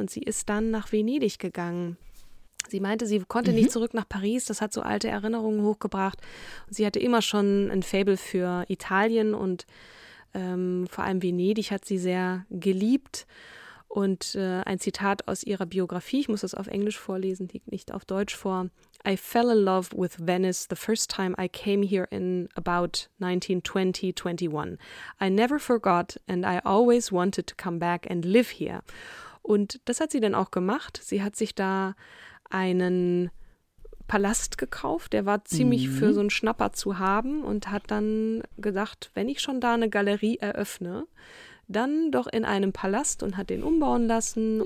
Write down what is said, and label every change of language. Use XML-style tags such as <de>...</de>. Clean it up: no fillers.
<de>Und sie ist dann nach Venedig gegangen. Sie meinte, sie konnte nicht zurück nach Paris. Das hat so alte Erinnerungen hochgebracht. Und sie hatte immer schon ein Faible für Italien und vor allem Venedig hat sie sehr geliebt. Und ein Zitat aus ihrer Biografie, ich muss das auf Englisch vorlesen, liegt nicht auf Deutsch vor.</de> <en>I fell in love with Venice the first time I came here in about 1920-21. I never forgot and I always wanted to come back and live here.</en> <de>Und das hat sie dann auch gemacht. Sie hat sich da einen Palast gekauft, der war ziemlich für so einen Schnapper zu haben und hat dann gedacht, wenn ich schon da eine Galerie eröffne, dann doch in einem Palast und hat den umbauen lassen.</de>